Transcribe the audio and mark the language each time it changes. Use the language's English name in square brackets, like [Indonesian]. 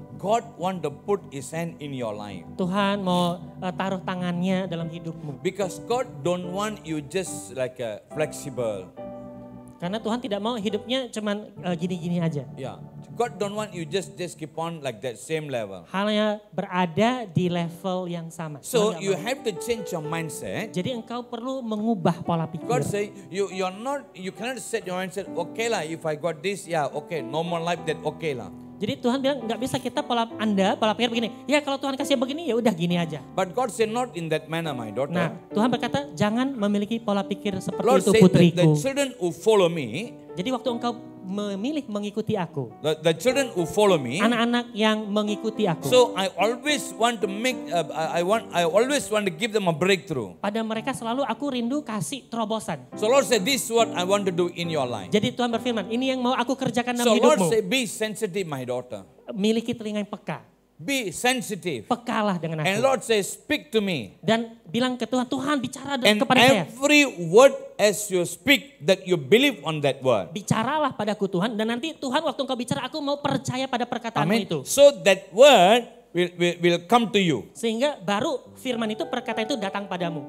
[English] God want to put his hand in your life. [Indonesian] Tuhan mau taruh tangannya dalam hidupmu. [English] Because God don't want you just like a flexible. [Indonesian] Karena Tuhan tidak mau hidupnya cuman gini-gini aja. Yeah. [English] God don't want you just keep on like that same level. [Indonesian] Hanya berada di level yang sama. [English] So you have to change your mindset. [Indonesian] Jadi engkau perlu mengubah pola pikir. [English] God say you cannot set your mindset okay lah if I got this yeah okay normal life that okay lah. [Indonesian] Jadi Tuhan bilang enggak bisa kita pola pikir begini. Ya kalau Tuhan kasih begini ya udah gini aja. [English] But God said not in that manner my daughter. [Indonesian] Nah, Tuhan berkata jangan memiliki pola pikir seperti [English] Lord [Indonesian] itu putriku. [English] The children who follow me. [Indonesian] Jadi waktu engkau memilih mengikuti aku. [English] The children who follow me. [Indonesian] Anak-anak yang mengikuti aku. [English] So I always want to make I always want to give them a breakthrough. [Indonesian] Pada mereka selalu aku rindu kasih terobosan. [English] So Lord said this is what I want to do in your life. [Indonesian] Jadi Tuhan berfirman, ini yang mau aku kerjakan dalam hidupmu. [English] So Lord said be sensitive my daughter. [Indonesian] Miliki telinga yang peka. [English] Be sensitive. [Indonesian] Pekalah dengan aku. [English] And Lord say speak to me. [Indonesian] Dan bilang ke Tuhan, Tuhan bicara [English] and [Indonesian] kepada [English] every Every word as you speak that you believe on that word. [Indonesian] Bicaralah padaku Tuhan dan nanti Tuhan waktu engkau bicara aku mau percaya pada perkataanmu itu. [English] So that word will come to you. [Indonesian] Sehingga baru firman itu, perkata itu datang padamu.